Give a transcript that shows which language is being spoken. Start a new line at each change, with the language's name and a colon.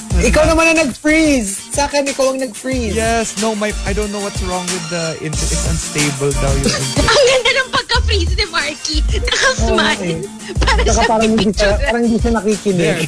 Filipino: Ikaw naman ang nag-freeze. Sa akin, ikaw ang nag-freeze.
English: Yes. No, I don't know what's wrong with the internet. It's unstable daw yung internet.
Filipino: Ang ganda ng pagka-freeze ni Markki. Naka-smile. Okay. Parang hindi siya nakikinig.